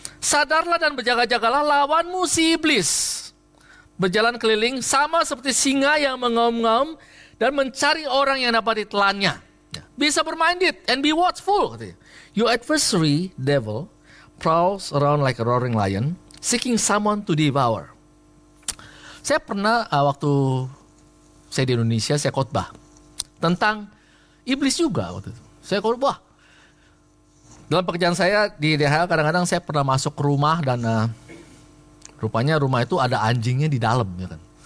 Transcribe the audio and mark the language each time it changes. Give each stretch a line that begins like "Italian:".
Indonesian: Sadarlah dan berjaga-jagalah, lawanmu si iblis berjalan keliling sama seperti singa yang mengaum-ngaum dan mencari orang yang dapat ditelannya.
English: Be sober-minded and be watchful. Your adversary, devil, prowls around like a roaring lion, seeking someone to devour.
Indonesian: Saya pernah waktu saya di Indonesia, saya khotbah tentang iblis juga waktu itu. Saya khotbah. Dalam pekerjaan saya di DHL, kadang-kadang saya pernah masuk ke rumah dan rupanya rumah itu ada anjingnya di dalam, ya kan.